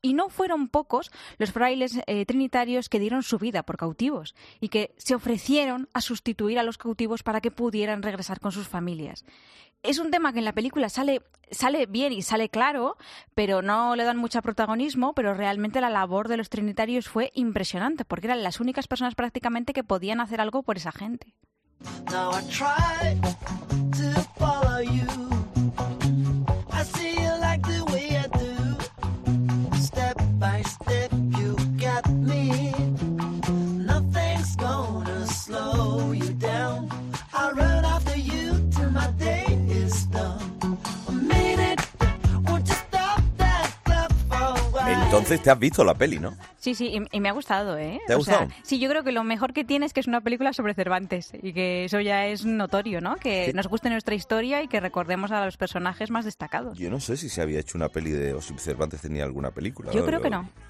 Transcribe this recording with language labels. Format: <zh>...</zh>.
<es>Y no fueron pocos los frailes trinitarios que dieron su vida por cautivos y que se ofrecieron a sustituir a los cautivos para que pudieran regresar con sus familias. Es un tema que en la película sale bien y sale claro, pero no le dan mucho protagonismo, pero realmente la labor de los trinitarios fue impresionante porque eran las únicas personas prácticamente que podían hacer algo por esa gente.</es> <en>Now I try to follow you. I see you like the way I do. Step by step, you got me. Nothing's gonna slow you down. I run after you till my day is done. A minute, won't you stop that clock for a while?</en> <es>Entonces te has visto la peli, ¿no? Sí, sí, y me ha gustado, ¿eh? ¿Te ha gustado? O sea, sí, yo creo que lo mejor que tiene es que es una película sobre Cervantes y que eso ya es notorio, ¿no? Que sí, nos guste nuestra historia y que recordemos a los personajes más destacados. Yo no sé si se había hecho una peli de... o si Cervantes tenía alguna película. Yo creo que no.</es>